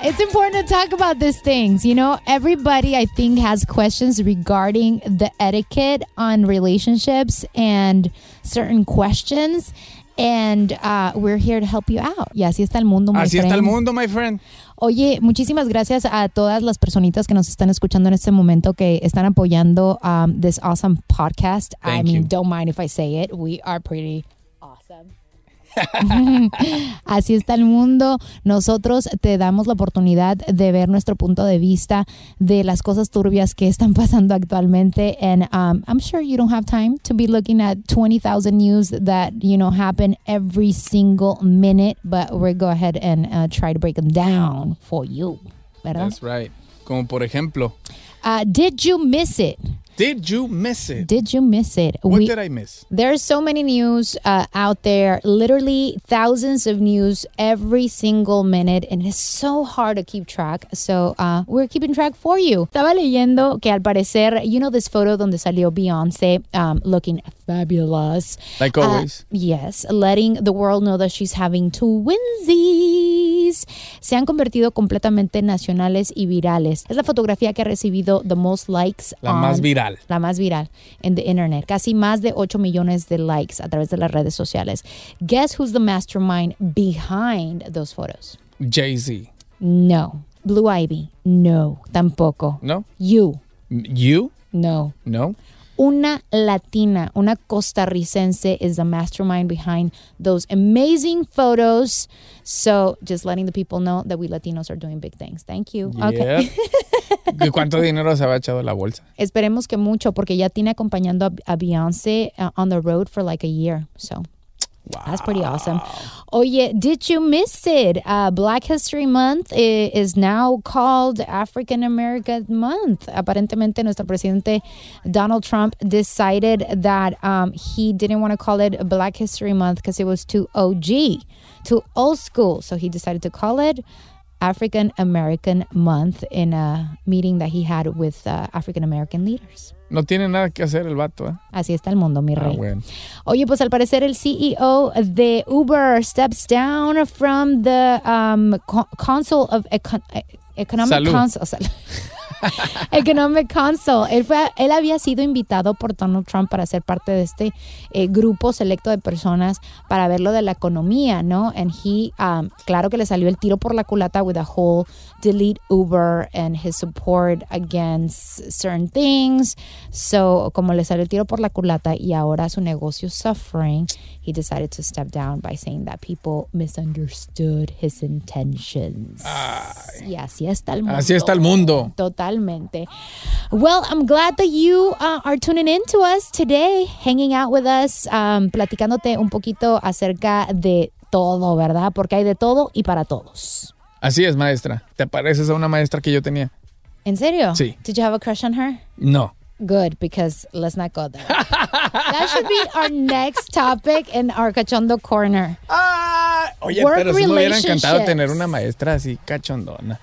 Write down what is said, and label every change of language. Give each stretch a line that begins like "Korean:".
English: It's important to talk about these things. You know, everybody I think has questions regarding the etiquette on relationships and certain questions. And we're here to help you out.
Spanish: Y así está el mundo, my así
English: friend.
Spanish: Así está el mundo,
English: my friend.
Spanish: Oye, muchísimas gracias a todas las personitas que nos están escuchando en este momento que están apoyando
English: this awesome podcast. Thank I mean, you. Don't mind if I say it. We are pretty awesome.
Spanish: Así está el mundo. Nosotros te damos la oportunidad de ver nuestro punto de vista de las cosas turbias que están pasando actualmente.
English: And I'm sure you don't have time to be looking at 20,000 news that, you know, happen every single minute. But we'll go ahead and try to break them down for you. ¿Verdad? That's right.
Spanish: Como por ejemplo,
English: Did you miss it? Did you miss it? Did you miss it? What did I miss? There are so many news out there, literally thousands of news every single minute, and it's so hard to keep track. So we're keeping track for you.
Spanish: Estaba leyendo que al parecer,
English: you know this photo
Spanish: donde salió Beyonce
English: looking fabulous. Like always. Yes, letting the world know that she's having twinsies.
Spanish: Se han convertido completamente nacionales y virales. Es la fotografía que ha recibido
English: the most likes.
Spanish: La más viral en
English: the internet.
Spanish: Casi más de 8 millones de likes a través de las redes sociales.
English: Guess who's the mastermind behind those photos? Jay-Z.
Spanish: No. Blue Ivy. No. Tampoco. No.
English: You. You? No. No.
Spanish: Una latina, una costarricense
English: is the mastermind behind those amazing photos. So, just letting the people know that we Latinos are doing big things. Thank you. Yeah. Okay.
Spanish: ¿Y cuánto dinero se había echado en la bolsa? Esperemos que mucho, porque ya tiene acompañando a Beyoncé
English: on the road for like a year. So, wow. That's pretty awesome. Oye, did you miss it? Black History Month is now called African American Month.
Spanish: Aparentemente, nuestro presidente
English: Donald Trump decided that he didn't want to call it Black History Month because it was too OG, too old school. So he decided to call it African American Month in a meeting that he had with African American leaders.
Spanish: No tiene nada que hacer el vato, ¿eh? Así está el mundo, mi rey. Ah, bueno. Oye, pues al parecer el CEO de Uber
English: steps down from the Council of Economic
Spanish: Salud.
English: Economic Council.
Spanish: Él había sido invitado por Donald Trump para ser parte de este grupo selecto de personas para ver lo de la economía, ¿no?
English: And he,
Spanish: claro que le salió el tiro por la culata
English: with a whole delete Uber and his support against certain things. So,
Spanish: como le salió el tiro por la culata y ahora su negocio
English: suffering, he decided to step down by saying that people misunderstood his intentions.
Spanish: Ay. Y así está el mundo. Así está el mundo.
English: Total. Well, I'm glad that you are tuning in to us today, hanging out with us,
Spanish: platicándote un poquito acerca de todo, ¿verdad? Porque hay de todo y para todos. Así es, maestra. ¿Te pareces a una maestra que yo tenía? ¿En serio? Sí.
English: Did you have a crush on her? No. Good, because let's not go there. That should be our next topic in our cachondo corner.
Spanish: Oye, work pero si me hubiera encantado tener una maestra así cachondona.